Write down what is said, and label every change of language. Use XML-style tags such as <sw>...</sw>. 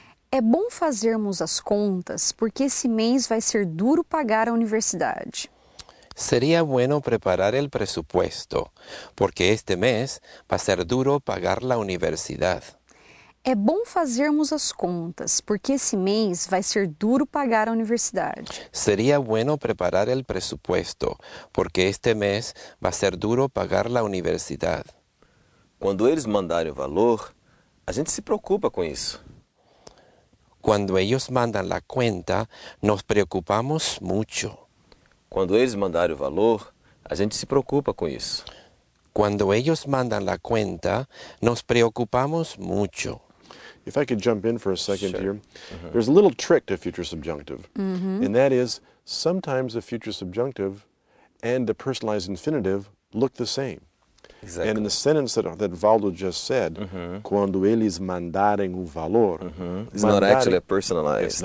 <pt>É bom fazermos as contas porque esse mês vai ser duro pagar a universidade.</pt> <es>Sería bueno preparar el presupuesto porque este mes va a ser duro pagar la universidad.</es> <pt>É bom fazermos as contas, porque esse mês vai ser duro pagar a universidade.</pt> <es>Seria bueno preparar el presupuesto, porque este mês va a ser duro pagar la universidad.</es> <pt>Quando eles mandarem o valor, a gente se preocupa com isso.</pt> <es>Cuando ellos mandan la cuenta, nos preocupamos mucho.</es> <pt>Quando eles mandarem o valor, a gente se preocupa com isso.</pt> <es>Cuando ellos mandan la cuenta, nos preocupamos mucho.</es> <en>If I could jump in for a second here, there's a little trick to future subjunctive. Mm-hmm. And that is, sometimes the future subjunctive and the personalized infinitive look the same. Exactly. And in the sentence that Valdo just said,</en> <pt>quando eles mandarem o valor,</pt> <en>it's not actually a personalized.</en>